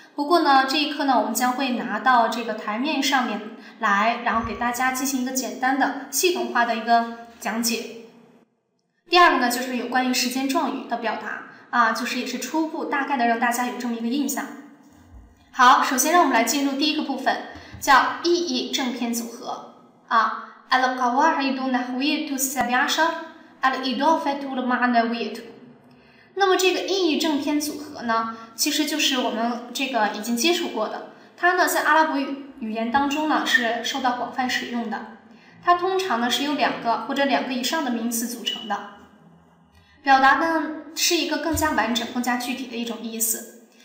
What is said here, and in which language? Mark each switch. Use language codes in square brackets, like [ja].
[zh] 不过呢，这一课呢，我们将会拿到这个台面上面来，然后给大家进行一个简单的系统化的一个讲解。第二个呢，就是有关于时间状语的表达啊，就是也是初步大概的让大家有这么一个印象。好，首先让我们来进入第一个部分，叫意义正片组合啊。 [ar] على قواعد نحوية السبع عشر الإضافة للمعنوية。 [zh] 那么这个意义正片组合呢，其实就是我们这个已经接触过的，它呢在阿拉伯语言当中呢是受到广泛使用的。它通常呢是由两个或者两个以上的名词组成的，表达呢是一个更加完整、更加具体的一种意思。